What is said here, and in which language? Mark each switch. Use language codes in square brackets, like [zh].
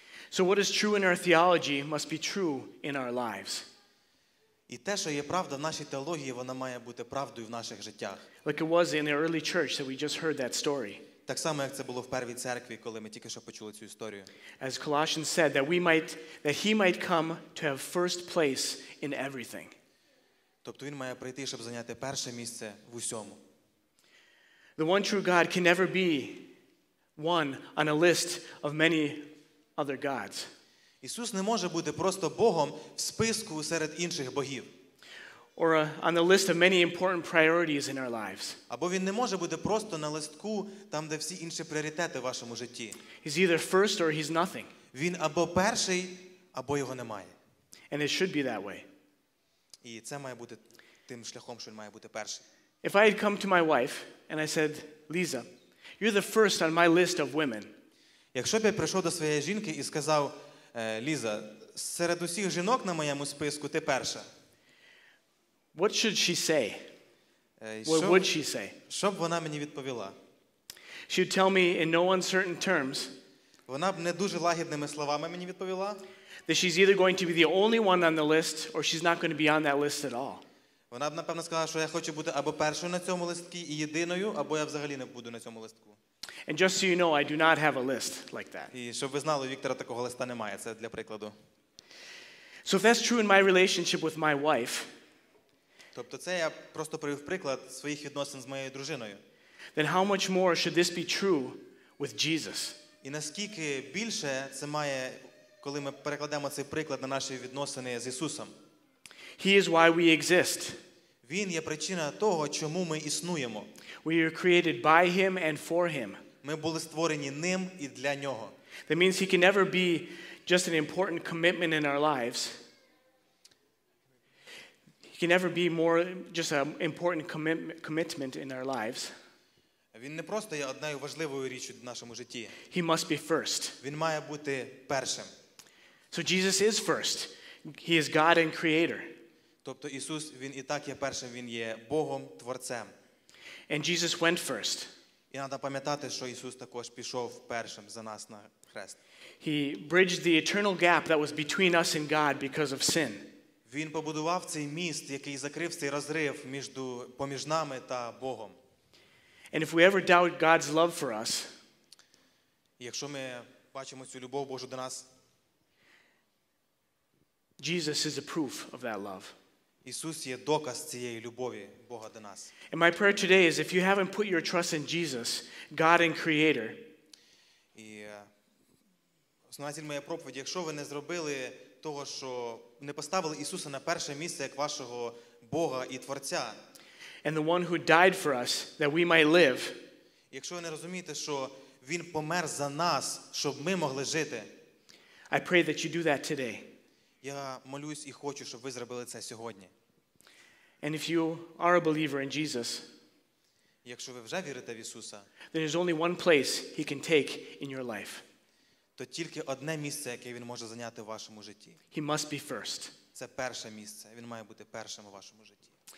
[en] So what is true in our theology must be true in our lives. [uk] І те, що є правда в нашій теології, вона має бути правдою в наших життях. [en] Like it was in the early church, so we just heard that story. [uk] Так само, як це було в першій церкві, коли ми тільки що почули цю історію. [en] As Colossians said, that he might come to have first place in everything. [uk] Тобто він має прийти, щоб зайняти перше місце в усьому. [en] The one true God can never be one on a list of many other gods. [uk] Ісус не може бути просто Богом в списку серед інших богів. [en] Or on the list of many important priorities in our lives. [uk] Або він не може бути просто на листку там, де всі інші пріоритети в вашому житті. [en] He's either first or he's nothing. [uk] Він або перший, або його немає. [en] And it should be that way. [uk] І це має бути тим шляхом, що він має бути перший. [en] If I had come to my wife and I said, "Lisa, you're the first on my list of women." [uk] Якщо б я прийшов до своєї жінки і сказав, "Ліза, серед усіх жінок на моєму списку ти перша." [en] What should she say? What would she say? [uk] Що б вона мені відповіла? [en] She would tell me in no uncertain terms. [uk] Вона б не дуже лагідними словами мені відповіла. [en] That she's either going to be the only one on the list or she's not going to be on that list at all. [uk] Вона б, напевно, сказала, що я хочу бути або першою на цьому листку і єдиною, або я взагалі не буду на цьому листку. [en] And just so you know, I do not have a list like that. [uk] І щоб ви знали, у Віктора такого листа немає, це для прикладу. [en] So if that's true in my relationship with my wife, [uk] тобто це я просто привів приклад своїх відносин з моєю дружиною. [en] Then how much more should this be true with Jesus? [uk] І наскільки більше це має, коли ми перекладемо цей приклад на наші відносини з Ісусом? [en] He is why we exist. [uk] Він є причина того, чому ми існуємо. [en] We are created by him and for him. [uk] Ми були створені ним і для нього. [en] That means he can never be just an important commitment in our lives. He can never be more just an important commitment in our lives. [uk] Він не просто є одною важливою річчю в нашому житті. [en] He must be first. [uk] Він має бути першим. [en] So Jesus is first. He is God and creator. [uk] Тобто Ісус, він і так є першим, він є Богом, творцем. [en] And Jesus went first. [uk] І треба пам'ятати, що Ісус також пішов першим за нас на хрест. [en] He bridged the eternal gap that was between us and God because of sin. [uk] Він побудував цей міст, який закрив цей розрив поміж нами та Богом. [en] And if we ever doubt God's love for us, [uk] якщо ми бачимо цю любов Божу до нас, [en] Jesus is a proof of that love. [uk] Ісус є доказ цієї любові Бога до нас. [en] And my prayer today is if you haven't put your trust in Jesus, God and Creator, [uk] основна ціль моєї проповіді, якщо ви не зробили того, що не поставили Ісуса на перше місце як вашого Бога і Творця, [en] and the one who died for us that we might live, [uk] якщо ви не розумієте, що він помер за нас, щоб ми могли жити, [en] I pray that you do that today. [uk] Я молюсь і хочу, щоб ви зробили це сьогодні. [en] And if you are a believer in Jesus, [uk] якщо ви вже вірите в Ісуса, [en] then there's only one place he can take in your life. [uk] То тільки одне місце, яке він може зайняти в вашому житті. [en] He must be first. [uk] Це перше місце. Він має бути першим у вашому житті.